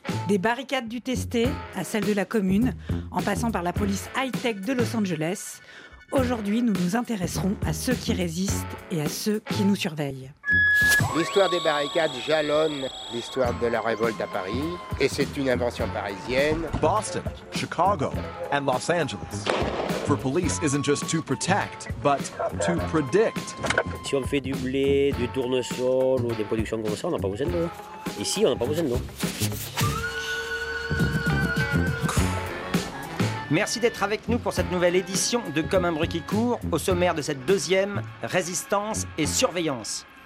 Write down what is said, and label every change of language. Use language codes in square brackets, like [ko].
[fr] Des barricades du Testé à celles de la commune, en passant par la police high-tech de Los Angeles, aujourd'hui nous nous intéresserons à ceux qui résistent et à ceux qui nous surveillent. L'histoire des barricades jalonne l'histoire de la révolte à Paris, et c'est une invention parisienne. [en] Boston, Chicago and Los Angeles. For police isn't just to protect, but to predict. [fr] Si on fait du blé, du tournesol ou des productions comme ça, on n'a pas besoin d'eau. Ici, on n'a pas besoin d'eau. Merci d'être avec nous pour cette nouvelle édition de Comme un bruit qui court, au sommaire de cette deuxième, résistance et surveillance.